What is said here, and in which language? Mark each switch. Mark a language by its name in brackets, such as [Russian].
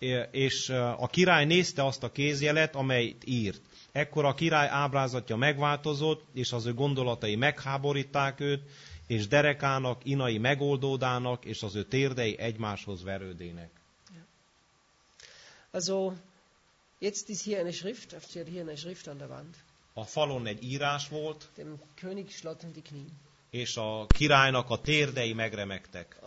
[Hungarian] És a király nézte azt a kézjelet, amelyet írt. Ekkor a király ábrázatja megváltozott, és az ő gondolatai megháborítták őt, és derekának, inai megoldódának, és az ő térdei egymáshoz verődének. [German] Also, jetzt ist hier eine Schrift, aufzieht hier eine Schrift an der Wand. [Hungarian] A falon egy írás volt, [German] dem König schlotten die Knie. [Hungarian] És a királynak a térdei megremegtek.